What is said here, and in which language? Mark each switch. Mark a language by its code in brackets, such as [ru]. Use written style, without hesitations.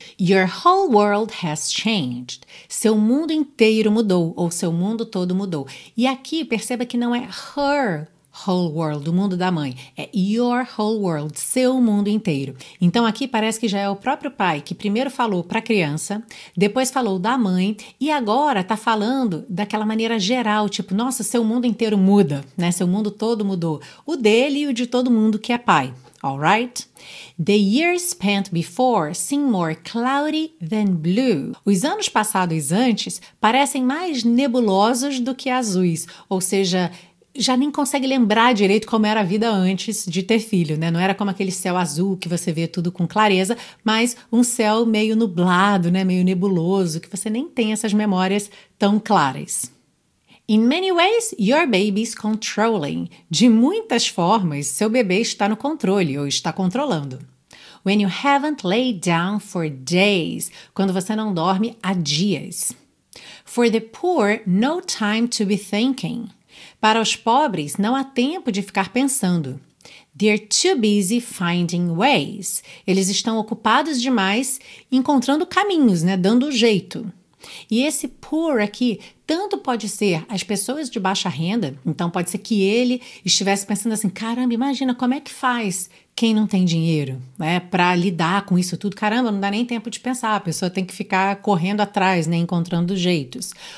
[en] Your whole world has changed. [pt] Seu mundo inteiro mudou, ou seu mundo todo mudou. E aqui, perceba que não é [en] her whole world, [pt] o mundo da mãe. É [en] your whole world, [pt] seu mundo inteiro. Então, aqui parece que já é o próprio pai que primeiro falou para a criança, depois falou da mãe, e agora está falando daquela maneira geral, tipo, nossa, seu mundo inteiro muda, né? Seu mundo todo mudou. O dele e o de todo mundo que é pai. [en] Alright? The years spent before seem more cloudy than blue. [pt] Os anos passados antes parecem mais nebulosos do que azuis. Ou seja, já nem consegue lembrar direito como era a vida antes de ter filho, né? Não era como aquele céu azul que você vê tudo com clareza, mas um céu meio nublado, né? Meio nebuloso, que você nem tem essas memórias tão claras. [en] In many ways, your baby's controlling. [pt] De muitas formas, seu bebê está no controle ou está controlando. [en] When you haven't laid down for days. [pt] Quando você não dorme há dias. [en] For the poor, no time to be thinking. [pt] Para os pobres, não há tempo de ficar pensando. [en] They're too busy finding ways. [pt] Eles estão ocupados demais encontrando caminhos, né? Dando jeito. E esse poor aqui, tanto pode ser as pessoas de baixa renda, então pode ser que ele estivesse pensando assim, caramba, imagina como é que faz quem não tem dinheiro, né, para lidar com isso tudo, caramba, não dá nem tempo de pensar, a pessoa tem que ficar correndo atrás, né, encontrando jeitos.